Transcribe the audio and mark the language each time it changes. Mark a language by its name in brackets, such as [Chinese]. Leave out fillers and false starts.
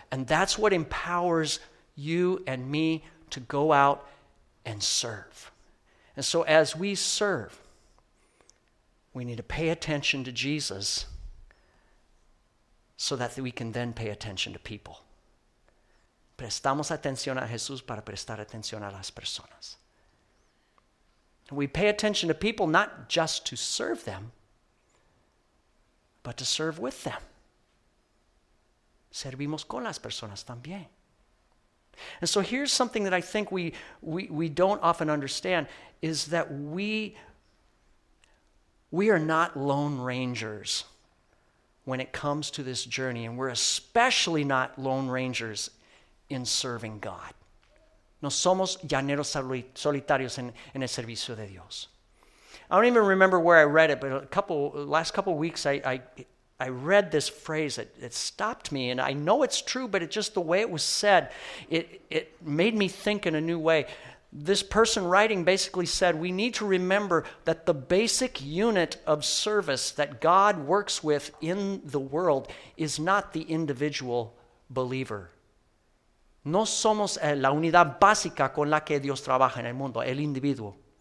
[English] And that's what empowers you and me to go out and serve. And so as we serve, we need to pay attention to Jesus so that we can then pay attention to people. [Spanish] Prestamos atención a Jesús para prestar atención a las personas. [English] We pay attention to people not just to serve them, but to serve with them. [Spanish] Servimos con las personas también. [English] And so here's something that I think we don't often understand is that we are not lone rangers when it comes to this journey, and we're especially not lone rangers in serving God. [Spanish] No somos llaneros solitarios en el servicio de Dios. [English] I don't even remember where I read it, but last couple weeks I read this phrase that stopped me, and I know it's true, but it just the way it was said, it made me think in a new way. This person writing basically said, we need to remember that the basic unit of service that God works with in the world is not the individual believer. [Spanish] No somos la unidad básica con la que Dios trabaja en el mundo, el individuo.